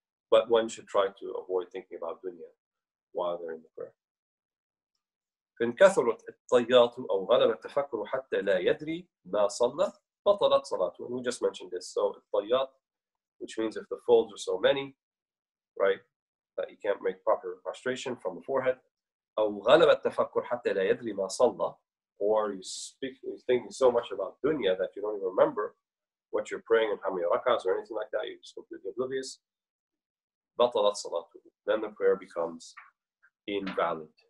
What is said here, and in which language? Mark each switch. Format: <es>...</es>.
<en>But one should try to avoid thinking about dunya while they're in the prayer.</en> <ar>فإن كثرت الطيات أو غلب التفكر حتى لا يدري ما صلى بطلت صلاته.</ar> <en>And we just mentioned this. So الطيات, which means if the folds are so many, right, that you can't make proper prostration from the forehead.</en> <ar>أو غلب التفكر حتى لا يدري ما صلى.</ar> <en>Or you're thinking so much about dunya that you don't even remember what you're praying and how many rak'ahs or anything like that. You're just completely oblivious.</en> <ar>Batalat salatu.</ar> <en>Then the prayer becomes invalid.</en>